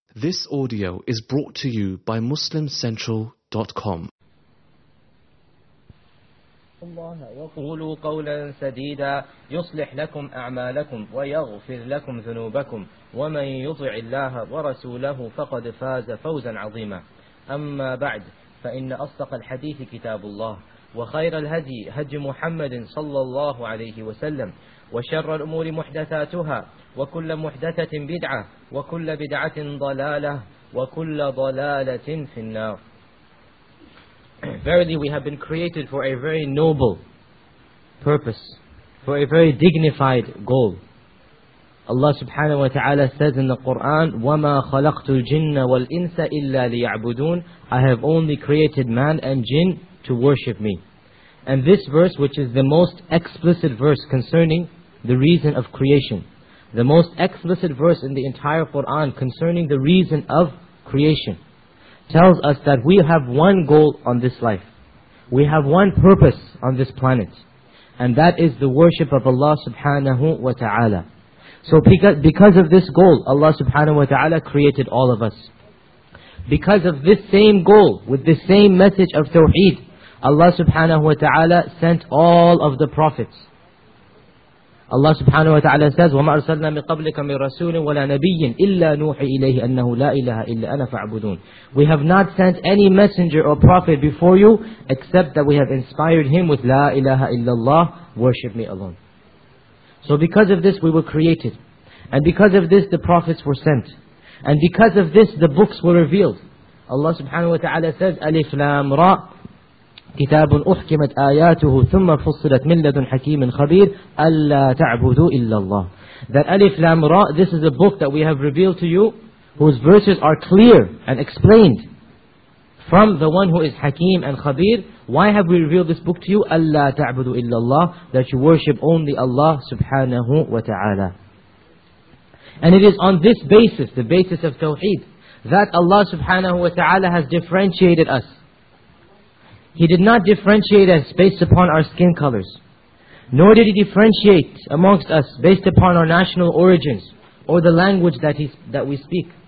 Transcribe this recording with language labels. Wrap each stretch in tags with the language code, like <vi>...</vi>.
<en>This audio is brought to you by MuslimCentral.com.</en> <ar>قولوا قولا سديدا يصلح لكم أعمالكم ويغفر لكم ذنوبكم ومن يطع الله ورسوله فقد فاز فوزا عظيما. أما بعد فإن أصدق الحديث كتاب الله وخير الهدي هدي محمد صلى الله عليه وسلم وشر الأمور محدثاتها وكل محدثة بدعة وكل بدعة ضلالة وكل ضلالة في النار.</ar> <en>Verily we have been created for a very noble purpose, for a very dignified goal. Allah subhanahu wa ta'ala says in the Quran,</en> <ar>وَمَا خَلَقْتُ الْجِنَّ وَالْإِنسَ إِلَّا لِيَعْبُدُونَ.</ar> <en>I have only created man and jinn to worship me. And this verse, which is the most explicit verse concerning the reason of creation, the most explicit verse in the entire Quran concerning the reason of creation, tells us that we have one goal on this life. We have one purpose on this planet. And that is the worship of Allah subhanahu wa ta'ala. So because of this goal, Allah subhanahu wa ta'ala created all of us. Because of this same goal, with the same message of Tawheed, Allah subhanahu wa ta'ala sent all of the prophets. Allah subhanahu wa ta'ala says,</en> <ar>وَمَا أَرْسَلْنَا مِنْ قَبْلِكَ مِنْ رَسُولٍ وَلَا نَبِيٍّ إِلَّا نُوحِي إِلَيْهِ أَنَّهُ لَا إِلَهَ إِلَّا أَنَا فَعْبُدُونَ.</ar> <en>We have not sent any messenger or prophet before you, except that we have inspired him with La ilaha illallah, worship me alone. So because of this we were created. And because of this the prophets were sent. And because of this the books were revealed. Allah subhanahu wa ta'ala says,</en> <ar>أَلِفْ لَامْ رَا كتاب أحكمت آياته ثم فصلت من لدن حكيم خبير ألا تعبدوا إلا الله.</ar> <en>That Alif Lam Ra, this is a book that we have revealed to you, whose verses are clear and explained from the one who is Hakim and Khabir. Why have we revealed this book to you?</en> <ar>ألا تعبدوا إلا الله,</ar> <en>that you worship only Allah</en> <ar>سبحانه وتعالى.</ar> <en>And it is on this basis, the basis of Tawheed, that Allah سبحانه وتعالى has differentiated us. He did not differentiate us based upon our skin colors. Nor did He differentiate amongst us based upon our national origins or the language that we speak.</en>